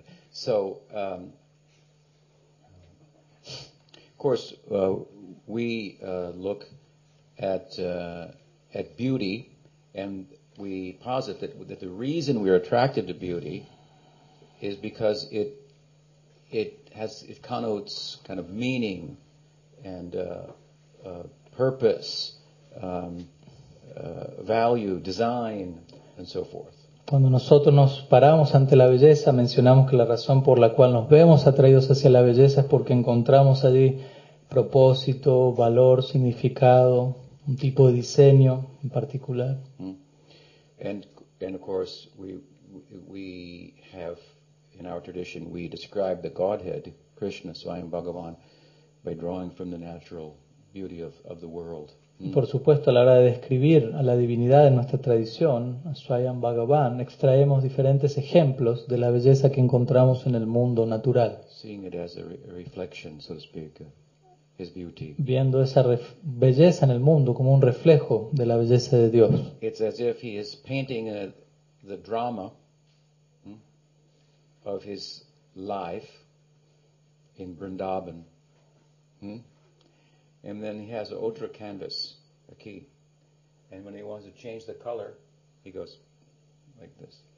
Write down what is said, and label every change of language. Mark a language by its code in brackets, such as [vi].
[en] So, of course, we look at beauty, and we posit that the reason we are attracted to beauty is because it connotes kind of meaning and purpose, value, design, and so forth. [es] Cuando nosotros nos paramos ante la belleza, mencionamos que la razón por la cual nos vemos atraídos hacia la belleza es porque encontramos allí propósito, valor, significado, un tipo de diseño en particular. [en] And of course we have in our tradition we describe the Godhead, Krishna, Swayam Bhagavan, by drawing from the natural beauty of the world. [es] Por supuesto, a la hora de describir a la divinidad de nuestra tradición, a Swayam Bhagavan, extraemos diferentes ejemplos de la belleza que encontramos en el mundo natural. [en] Seeing it as a reflection, so to speak, his beauty. [es] Viendo esa belleza en el mundo como un reflejo de la belleza de Dios. [en] It's as if he is painting the drama of his life in Vrindavan. And then he has an ultra canvas, a key. And when he wants to change the color, he goes like this.